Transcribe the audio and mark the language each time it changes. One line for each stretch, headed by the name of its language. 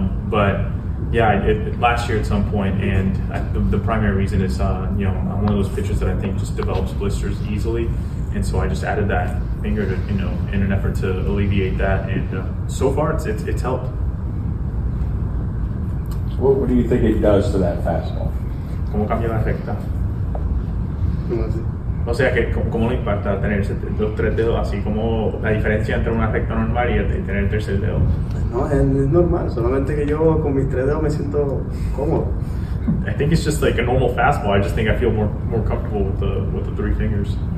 English: But yeah, it last year at some point, and the primary reason is, you know, I'm one of those pitchers that I think just develops blisters easily, and so I just added that finger to, you know, in an effort to alleviate that, and so far it's helped. What do you think it does to that fastball?
Spanish: ¿Cómo cambia la recta? O sea, que ¿cómo le impacta tener dos tres dedos así? ¿Cómo la diferencia entre una recta normal y tener el tercer dedo? No, es normal. Solamente que yo con mis tres dedos me siento cómodo.
English: I think it's just like a normal fastball. I just think I feel more comfortable with the three fingers.